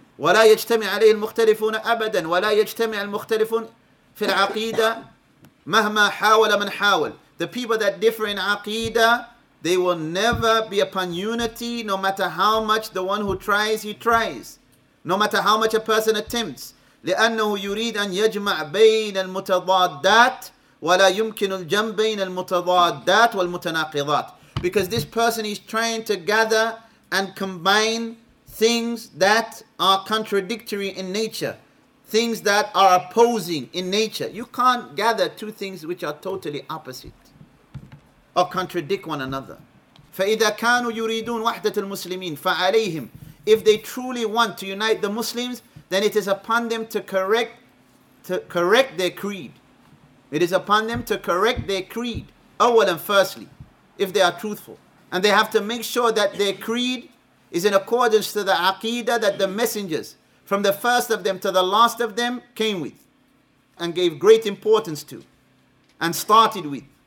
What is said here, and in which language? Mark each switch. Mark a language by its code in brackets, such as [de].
[ar] وَلَا يَجْتَمِعْ عَلَيْهِ الْمُخْتَلِفُونَ أَبَدًا وَلَا يَجْتَمِعْ الْمُخْتَلِفُونَ فِي الْعَقِيدَةِ مَهْمَا حَاوَلَ مَنْ حَاوَلَ. [en] The people that differ in aqeedah, they will never be upon unity, no matter how much the one who tries, he tries. No matter how much a person attempts. [ar] لأنه يريد أن يجمع بين المتضادات ولا يمكن الجمع بين المتضادات والمتناقضات. [en] Because this person is trying to gather and combine things that are contradictory in nature. Things that are opposing in nature. You can't gather two things which are totally opposite or contradict one another. [ar] فإذا كانوا يريدون وحدة المسلمين فعليهم. [en] If they truly want to unite the Muslims, then it is upon them to correct their creed. It is upon them to correct their creed. Awwalan, firstly, if they are truthful. And they have to make sure that their creed is in accordance to the aqeedah that the messengers, from the first of them to the last of them, came with and gave great importance to and started with.